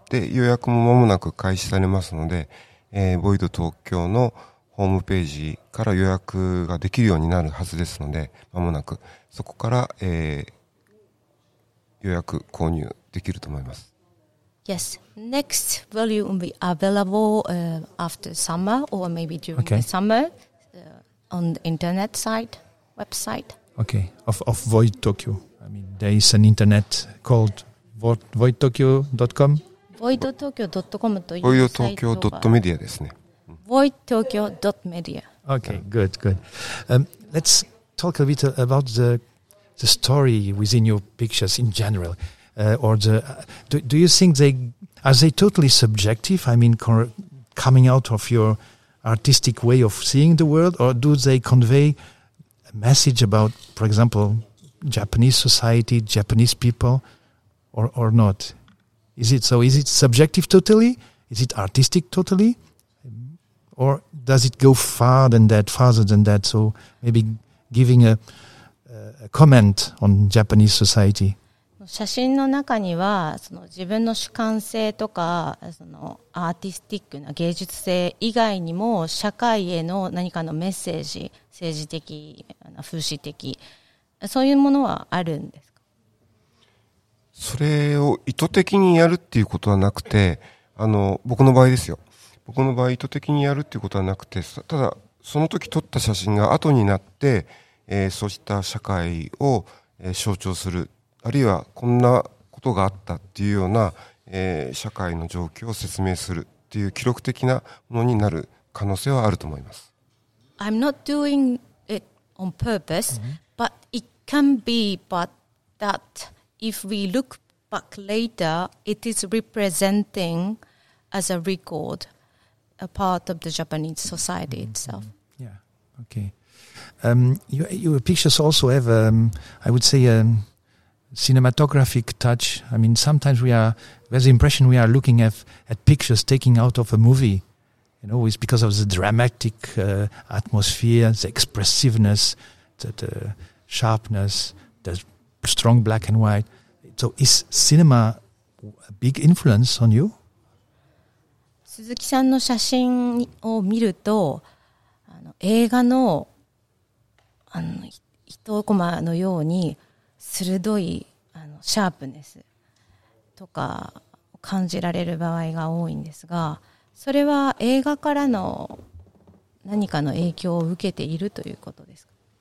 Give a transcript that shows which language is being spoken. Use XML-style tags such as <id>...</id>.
<ja>で、予約も間もなく開始されますので、VoidTokyo のホームページから予約ができるようになるはずですので、間もなくそこから、予約購入できると思います。</ja> <en>Yes, next volume will be available after summer or maybe during the summer on the internet site, website. Okay, of VoidTokyo. I mean, there is an internet called VoidTokyo.com? VoidTokyo.com</en> <ja>という VoidTokyo.media ですね。</ja> <en>VoidTokyo.media. Okay, good, good. Let's talk a bit about the story within your pictures in general. Do you think they are they totally subjective? I mean, coming out of your artistic way of seeing the world, or do they convey a message about, for example, Japanese society, Japanese people, or not? Is it so? Is it subjective totally? Is it artistic totally? Or does it go farther than that? So maybe giving a comment on Japanese society.</en> <ja>写真の中にはその自分の主観性とかそのアーティスティックな芸術性以外にも社会への何かのメッセージ、政治的、風刺的、そういうものはあるんですか。それを意図的にやるっていうことはなくて、僕の場合ですよ、僕の場合意図的にやるっていうことはなくて、ただその時撮った写真が後になって、そうした社会を、象徴する、あるいはこんなことがあったっていうような、社会の状況を説明するっていう記録的なものになる可能性はあると思います。</ja> <en>I'm not doing it on purpose、mm-hmm. but it can be but that if we look back later it is representing as a record a part of the Japanese society itself、 mm-hmm. yeah okay、your pictures also have、I would say、cinematographic touch. I mean, sometimes there's the impression we are looking at pictures taken out of a movie, you know, it's because of the dramatic atmosphere, the expressiveness, the sharpness, the strong black and white. So is cinema a big influence on you?</en> <ja>鈴木さんの写真を見ると、映画の、一コマのように鋭いシャープネスとか感じられる場合が多いんですが、それは映画からの何かの影響を受けているということですか。</ja>